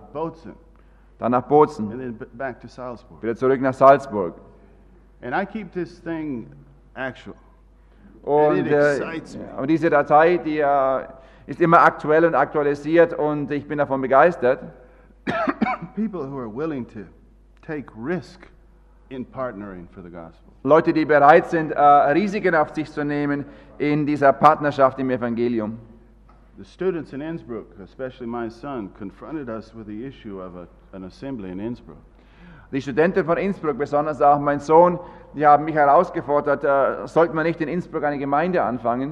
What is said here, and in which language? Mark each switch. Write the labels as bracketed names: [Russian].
[English] Bozen. [German] Dann nach Bozen. [English] And then back to Salzburg. [German] Wieder zurück nach Salzburg. [English] And I keep this thing actual. [German] Und [English] and [German] diese Datei, die ist immer aktuell und aktualisiert, und ich bin davon begeistert. [English] People who are willing to take risk in partnering for the gospel. [German] Leute, die bereit sind, Risiken auf sich zu nehmen in dieser Partnerschaft im Evangelium. [English] The students in Innsbruck, especially my son, confronted us with the issue of an assembly in Innsbruck. [German] Die Studenten von Innsbruck, besonders auch mein Sohn, die haben mich herausgefordert, sollte man nicht in Innsbruck eine Gemeinde anfangen?